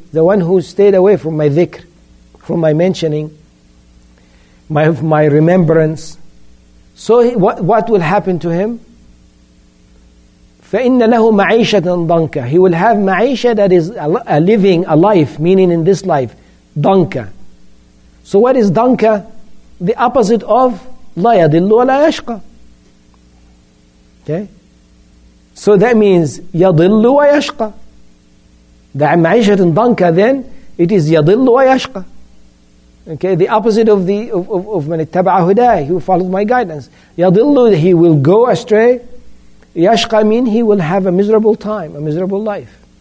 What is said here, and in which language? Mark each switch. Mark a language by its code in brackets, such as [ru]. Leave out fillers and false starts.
[en] The one who stayed away from my dhikr, from my mentioning, my remembrance. So what will happen to him? [ar] فَإِنَّ لَهُ مَعِيشَةً ضَنْكَ. [en] He will have ma'isha, that is a living, a life, meaning in this life, ضَنْكَ. So what is ضَنْكَ? The opposite of [ar] لَا يَضِلُّ وَلَا يَشْقَى. [en] Okay? So that means [ar] يَضِلُّ وَيَشْقَى. [en] The ma'ishatun ضَنْكَ then, it is [ar] يَضِلُّ وَيَشْقَى. [en] Okay, the opposite of the of man ittaba'a hudaya, he will follow my guidance. Yadillu, he will go astray. Yashqa mean he will have a miserable time, a miserable life.